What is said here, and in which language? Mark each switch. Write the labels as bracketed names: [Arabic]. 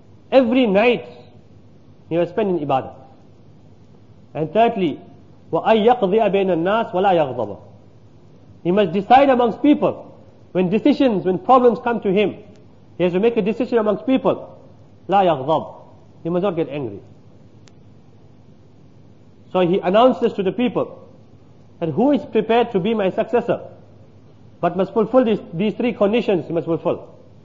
[English] Every night he was spending in ibadah. And thirdly, [Arabic] وَأَن يَقْضِيَ بَيْنَ النَّاسِ وَلَا يَغْضَبَ. [English] He must decide amongst people. When decisions, when problems come to him, he has to make a decision amongst people. [Arabic] لا يغضب. [English] He must not get angry. So he announced this to the people. And who is prepared to be my successor, but must fulfill these three conditions, he must fulfill.